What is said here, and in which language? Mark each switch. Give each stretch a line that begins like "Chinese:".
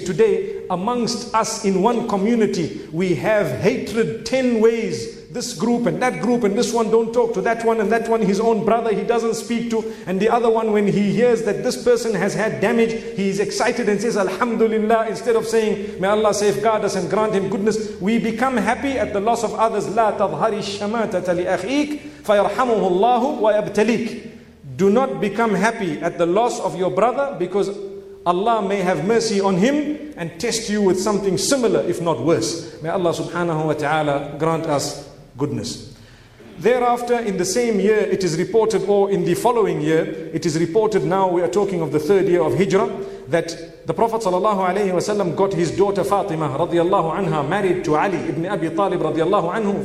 English: Today, amongst us in one community, we have hatred 10 ways. This group and that group and this one don't talk to that one, and that one, his own brother, he doesn't speak to. And the other one, when he hears that this person has had damage, he is excited and says, Alhamdulillah, instead of saying, may Allah safeguard us and grant him goodness. We become happy at the loss of others.
Arabic: لا تظهر الشماتة لأخيك فيرحمه الله ويبتليك.
English: Do not become happy at the loss of your brother, because Allah may have mercy on him and test you with something similar, if not worse. May Allah subhanahu wa ta'ala grant us goodness. Thereafter, in the same year, it is reported, or in the following year, it is reported, now we are talking of the third year of Hijrah, that the Prophet sallallahu alayhi wa sallam got his daughter Fatima radiallahu anha married to Ali ibn Abi Talib radiallahu anhu.